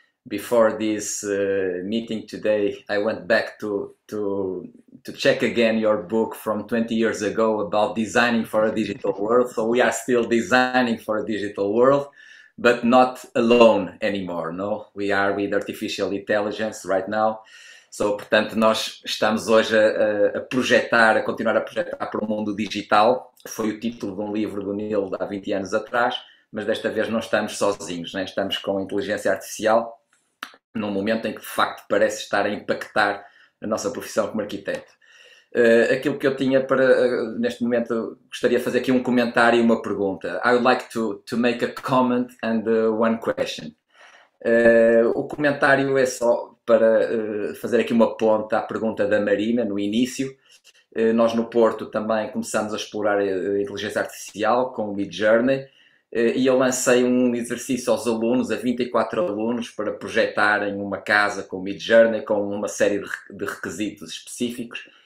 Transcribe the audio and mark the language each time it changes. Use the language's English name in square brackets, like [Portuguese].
[English] Before this meeting today, I went back to check again your book from 20 years ago about designing for a digital world. So we are still designing for a digital world, but not alone anymore, no? We are with artificial intelligence right now. [Portuguese] So, portanto, nós estamos hoje a projetar, a continuar a projetar para o mundo digital. Foi o título de um livro do Neil há 20 anos atrás, mas desta vez não estamos sozinhos, né? Estamos com a inteligência artificial, num momento em que, de facto, parece estar a impactar a nossa profissão como arquiteto. Aquilo que eu tinha para, neste momento, gostaria de fazer aqui um comentário e uma pergunta. [English] I would like to make a comment and one question. [Portuguese] O comentário é só para fazer aqui uma ponta à pergunta da Marina, no início. Nós, no Porto, também começamos a explorar a inteligência artificial com o Midjourney. E eu lancei um exercício aos alunos, a 24 alunos, para projetarem uma casa com o Midjourney, com uma série de requisitos específicos.